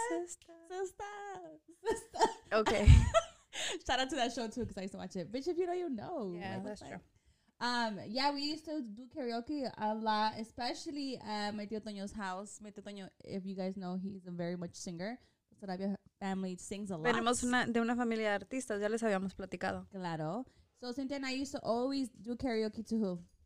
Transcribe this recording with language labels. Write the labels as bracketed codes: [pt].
[en] Sister, sister. Sister. Okay. Shout out to that show, too, because I used to watch it. Bitch, if you know, you know. Yeah, like, that's true. Yeah, we used to do karaoke a lot, especially at my tío Toño's house. My tío Toño, if you guys know, he's a very much singer. Sarabia family sings a lot. [es] Venimos de una familia de artistas, ya les habíamos platicado. Claro. [en] So, Cynthia and I used to always do karaoke to who?